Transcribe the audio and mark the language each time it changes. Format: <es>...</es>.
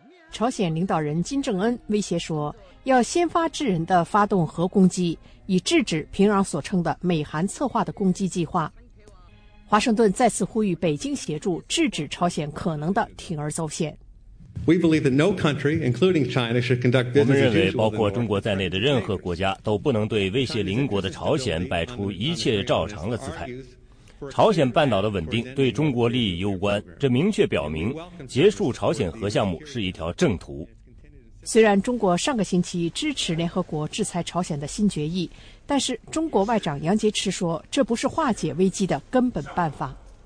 <zh>朝鲜领导人金正恩威胁说，要先发制人的发动核攻击，以制止平壤所称的美韩策划的攻击计划。华盛顿再次呼吁北京协助制止朝鲜可能的铤而走险。</zh> <en>We believe that no country, including China, should conduct business.</en> <zh>我们认为，包括中国在内的任何国家都不能对威胁邻国的朝鲜摆出一切照常的姿态。朝鲜半岛的稳定对中国利益攸关，这明确表明结束朝鲜核项目是一条正途。虽然中国上个星期支持联合国制裁朝鲜的新决议，但是中国外长杨洁篪说，这不是化解危机的根本办法。</zh>